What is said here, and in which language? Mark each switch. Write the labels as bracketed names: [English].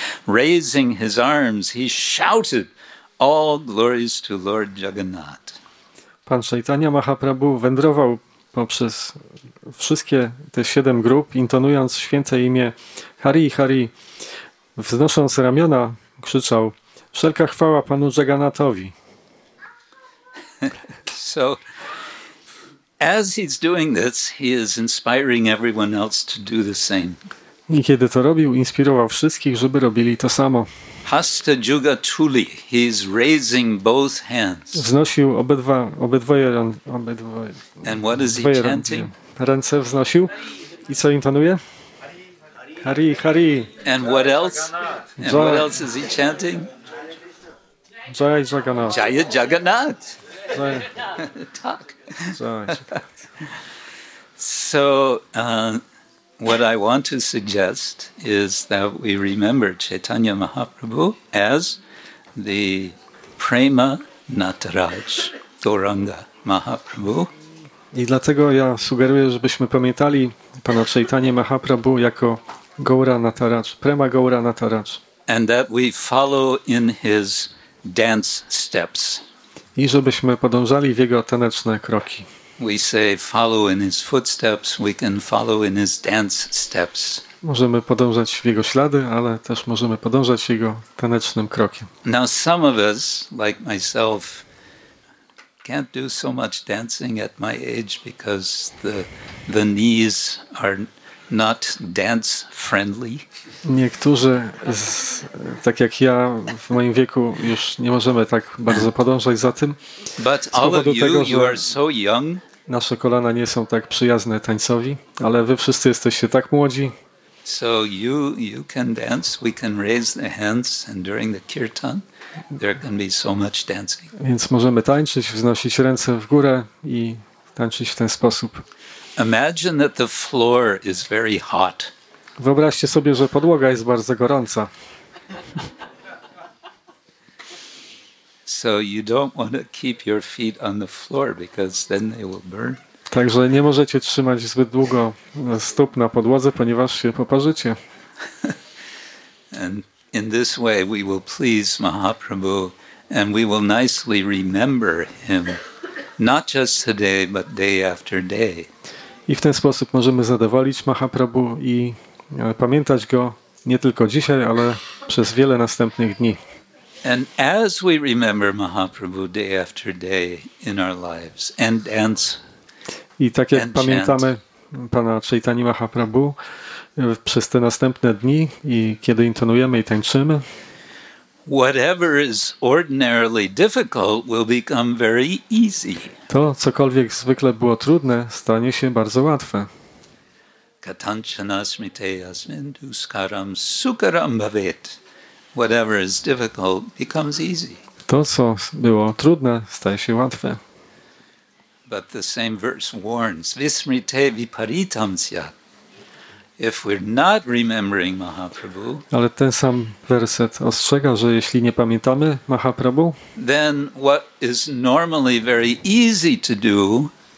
[English] Raising his arms, he shouted, "All glories to Lord Jagannath." [Polish] Pan Chaitanya Mahaprabhu wędrował poprzez wszystkie te siedem grup, intonując święte imię Hari Hari, wznosząc ramiona, krzyczał: "Wszelka chwała Panu Jagannathowi." [English] So, as he's doing this, he is inspiring everyone else to do the same. [Polish] I kiedy to robił, inspirował wszystkich, żeby robili to samo. [Bangla] Hasta Yuga Tuli, [English] he's raising both hands. [Polish] Wznosił obydwoje. [English] And what is he chanting? [Polish] Ręce wznosił. I co intonuje? Hari Hari. [English] And what else? And what else is he chanting? Jaya Jagannath. Jaya Jagannath. Jaya. Talk. Jaya. So, what I want to suggest is that we remember Chaitanya Mahaprabhu as the Prema Nataraj Gauranga Mahaprabhu. [Polish] I dlatego ja sugeruję, żebyśmy pamiętali Pana Chaitanya Mahaprabhu jako Gaura Nataraj, Prema Gaura Nataraj. [English] And that we follow in his dance steps. [Polish] I żebyśmy podążali w jego taneczne kroki. [English] We say follow in his footsteps, we can follow in his dance steps. [Polish] Możemy podążać w jego ślady, ale też możemy podążać jego tanecznym krokiem. [English] Now some of us, like myself, can't do so much dancing at my age because the knees are not dance friendly. [Polish] Niektórzy, tak jak ja w moim wieku, już nie możemy tak bardzo podążać za tym. [English] But all of you, you are so young. [Polish] Nasze kolana nie są tak przyjazne tańcowi, ale wy wszyscy jesteście tak młodzi. [English] So you can dance, we can raise the hands, and during the kirtan there can be so much dancing. [Polish] Więc możemy tańczyć, wznosić ręce w górę i tańczyć w ten sposób. [English] Imagine that the floor is very hot. [Polish] Wyobraźcie sobie, że podłoga jest bardzo gorąca. [English] So you don't want to keep your feet on the floor because then they will burn. [Polish] Także nie możecie trzymać zbyt długo stóp na podłodze, ponieważ się poparzycie. [English] And in this way we will please Mahaprabhu and we will nicely remember him not just today but day after day. [Polish] I w ten sposób możemy zadowolić Mahaprabhu i pamiętać go nie tylko dzisiaj, ale przez wiele następnych dni. [English] And as we remember Mahaprabhu day after day in our lives and dance. [Polish] I tak jak pamiętamy Pana Chaitanya Mahaprabhu przez te następne dni i kiedy intonujemy i tańczymy. [English] Whatever is ordinarily difficult will become very easy. [Polish] To, cokolwiek zwykle było trudne, stanie się bardzo łatwe. [Sanskrit] Katanchana smite asmin duskaram sukaram bhavet. [English] Whatever is difficult becomes easy. [Polish] To, co było trudne, staje się łatwe. [English] But the same verse warns, [Sanskrit] vismrite viparitam syat. [English] If we're not remembering Mahaprabhu, [Polish] ale ten sam werset ostrzega, że jeśli nie pamiętamy Mahaprabhu, [English] then what is normally very easy to do,